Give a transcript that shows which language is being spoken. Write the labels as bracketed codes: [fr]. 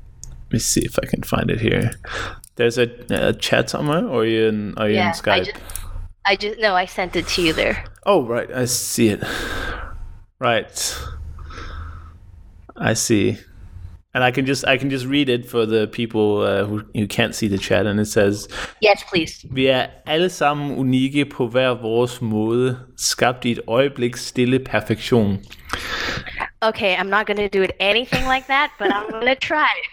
[en] Let me see if I can find it here. There's a chat somewhere, or are you in Skype? No, I sent it to you there. Oh, right. I see it. Right. I see. And I can just read it for the people who can't see the chat, and it says, yes, please. [da] Vi er alle sammen unikke på hver vores måde, skabt i et øjeblik stille perfektion. [en] Okay, I'm not going to do it anything like that, but I'm going to try.